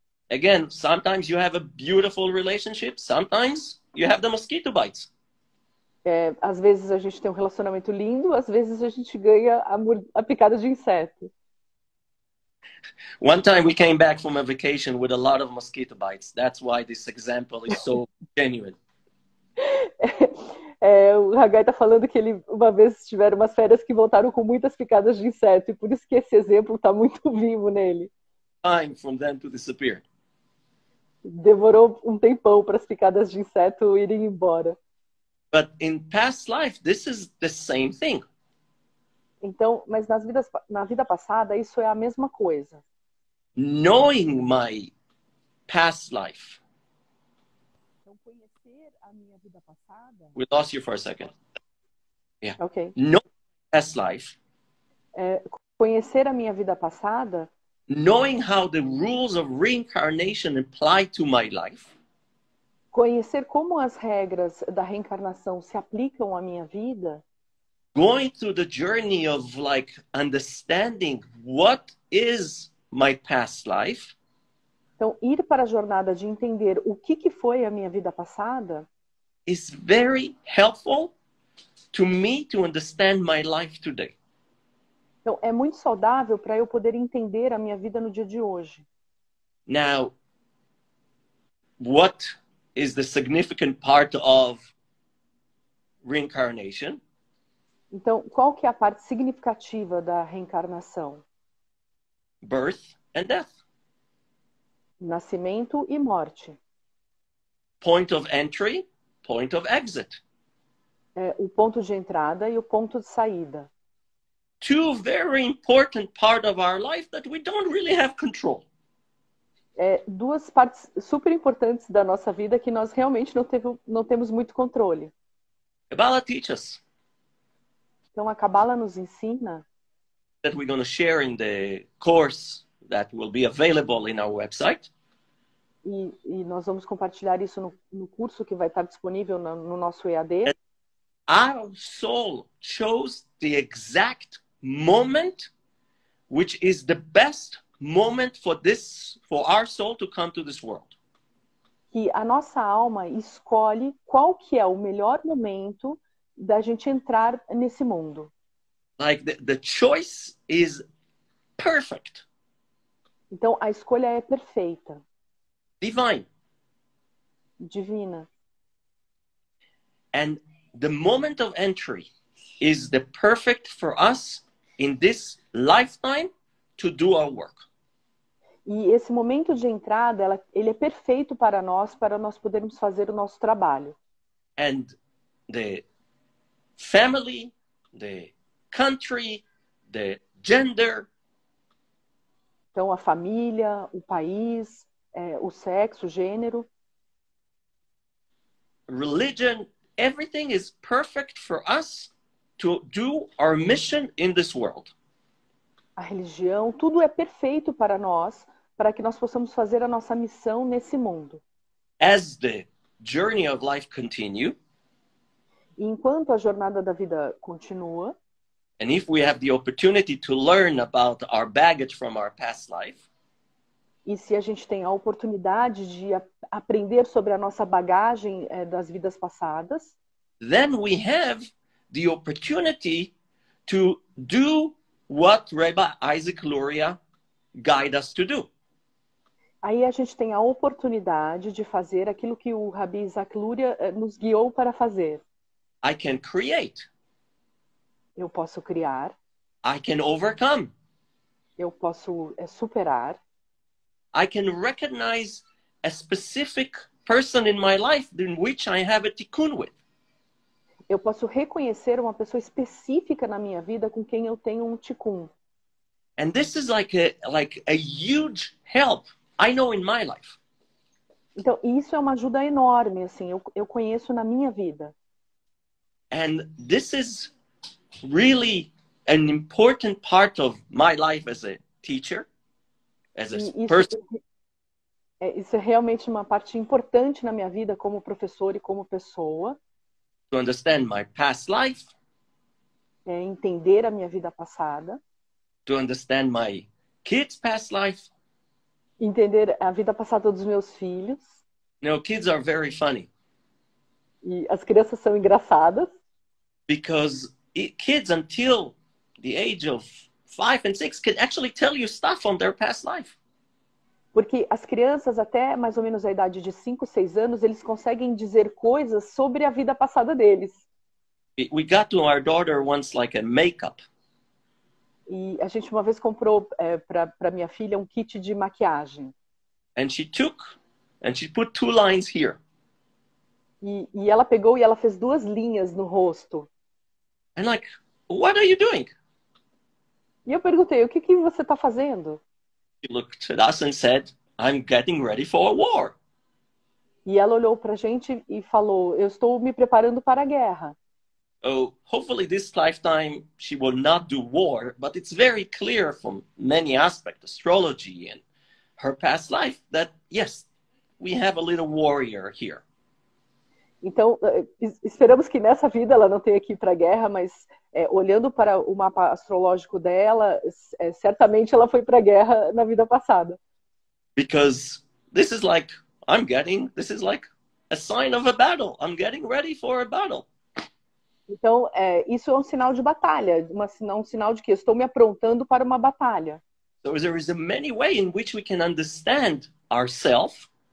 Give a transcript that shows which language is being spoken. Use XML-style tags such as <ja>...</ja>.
<en>Again, sometimes you have a beautiful relationship, sometimes you have the mosquito bites.</en> <pt>Às vezes a gente tem um relacionamento lindo, às vezes a gente ganha a picada de inseto.</pt> <en>One time we came back from a vacation with a lot of mosquito bites. That's why this example is so genuine.</en> <pt>O Hagai tá falando que ele uma vez tiveram umas férias que voltaram com muitas picadas de inseto, e por isso que esse exemplo tá muito vivo nele.</pt> <en>Time from them to disappear.</en> <pt>Demorou um tempão para as picadas de inseto irem embora.</pt> <en>But in past life, this is the same thing.</en> <pt>Então, mas nas vidas, na vida passada, isso é a mesma coisa.</pt> <en>Knowing my past life.</en> <pt>Então, conhecer a minha vida passada.</pt> <en>We lost you for a second. Yeah. Okay. Knowing my past life.</en> <pt>Conhecer a minha vida passada.</pt> <en>Knowing how the rules of reincarnation apply to my life.</en> <pt>Conhecer como as regras da reencarnação se aplicam à minha vida.</pt> <en>Going through the journey of like understanding what is my past life.</en> <pt>Então, ir para a jornada de entender o que foi a minha vida passada.</pt> <en>Is very helpful to me to understand my life today.</en> <pt>Então, é muito saudável para eu poder entender a minha vida no dia de hoje.</pt> <en>Now, what is the significant part of reincarnation?</en> <pt>Então, qual que é a parte significativa da reencarnação?</pt> <en>Birth and death.</en> <pt>Nascimento e morte.</pt> <en>Point of entry, point of exit.</en> <pt>O ponto de entrada e o ponto de saída.</pt> <en>Two very important parts of our life that we don't really have control.</en> <pt>Duas partes super importantes da nossa vida que nós realmente não temos muito controle.</pt> <en>Kabbalah teach us.</en> <pt>Então, a Kabbalah nos ensina</pt> <en>that we're going to share in the course that will be available in our website.</en> <pt>E nós vamos compartilhar isso no curso que vai estar disponível no nosso EAD.</pt> <en>Our soul chose the exact moment which is the best moment for our soul to come to this world.</en> <pt>Que a nossa alma escolhe qual que é o melhor momento da gente entrar nesse mundo.</pt> <en>Like the choice is perfect.</en> <pt>Então a escolha é perfeita.</pt> <en>Divine.</en> <pt>Divina.</pt> <en>And the moment of entry is the perfect for us in this lifetime to do our work.</en> <pt>E esse momento de entrada, ele é perfeito para nós podermos fazer o nosso trabalho.</pt> <en>And the family, the country, the gender.</en> <pt>Então, a família, o país, o sexo, o gênero.</pt> <en>Religion, everything is perfect for us to do our mission in this world.</en> <pt>A religião, tudo é perfeito para nós, para que nós possamos fazer a nossa missão nesse mundo.</pt> <en>As the journey of life continue,</en> <pt>e enquanto a jornada da vida continua,</pt> <en>and if we have the opportunity to learn about our baggage from our past life,</en> <pt>e se a gente tem a oportunidade de aprender sobre a nossa bagagem das vidas passadas,</pt> <en>then we have the opportunity to do what Rabbi Isaac Luria guide us to do.</en> <pt>Aí a gente tem a oportunidade de fazer aquilo que o Rabbi Isaac Luria nos guiou para fazer.</pt> <en>I can create.</en> <pt>Eu posso criar.</pt> <en>I can overcome.</en> <pt>Eu posso superar.</pt> <en>I can recognize a specific person in my life in which I have a tikkun with.</en> <pt>Eu posso reconhecer uma pessoa específica na minha vida com quem eu tenho um tikkun.</pt> <en>And this is like a huge help. I know in my life.</en> <pt>Então, isso é uma ajuda enorme, assim, eu conheço na minha vida.</pt> <en>And this is really an important part of my life as a teacher, as a person.</en> <pt>Isso é realmente uma parte importante na minha vida como professor e como pessoa.</pt> <en>To understand my past life.</en> <pt>É entender a minha vida passada.</pt> <en>To understand my kids' past life.</en> <pt>Entender a vida passada dos meus filhos.</pt> <en>Now, kids are very funny.</en> <pt>E as crianças são engraçadas.</pt> <en>Because kids until the age of 5 and 6 can actually tell you stuff on their past life.</en> <pt>Porque as crianças até mais ou menos a idade de 5, 6 anos, eles conseguem dizer coisas sobre a vida passada deles.</pt> <en>We got to our daughter once like a makeup.</en> <pt>E a gente uma vez comprou para minha filha um kit de maquiagem.</pt> <en>And she took and she put 2 lines here.</en> <pt>E ela pegou e ela fez 2 linhas no rosto.</pt> <en>And like, what are you doing?</en> <pt>E eu perguntei, o que você está fazendo?</pt> <en>She looked at us and said, I'm getting ready for a war.</en> <pt>E ela olhou para a gente e falou, eu estou me preparando para a guerra.</pt> <en>Oh, hopefully this lifetime she will not do war, but it's very clear from many aspects, astrology and her past life, that yes, we have a little warrior here.</en> <pt>Então, esperamos que nessa vida ela não tenha que ir para a guerra, mas olhando para o mapa astrológico dela, certamente ela foi para a guerra na vida passada.</pt> <en>Because this is like, I'm getting, this is like a sign of a battle. I'm getting ready for a battle.</en> <pt>Então, isso é um sinal de batalha, um sinal de que estou me aprontando para uma batalha.</pt> <en>So there is many ways in which we can understand ourselves.</en>